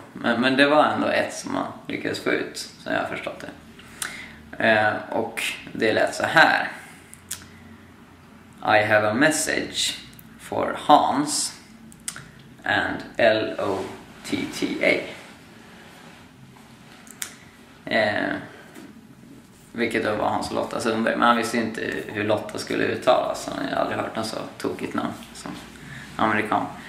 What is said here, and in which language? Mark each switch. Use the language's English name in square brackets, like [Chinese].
[Swedish] Men det var ändå ett som man lyckades få ut, som jag har förstått det. Och det lät så här. [English] I have a message for Hans and L-O-T-T-A. [Swedish] Vilket då var Hans och Lotta Sundberg. Men han visste inte hur Lotta skulle uttalas. Han hade aldrig hört något så tokigt namn som amerikan.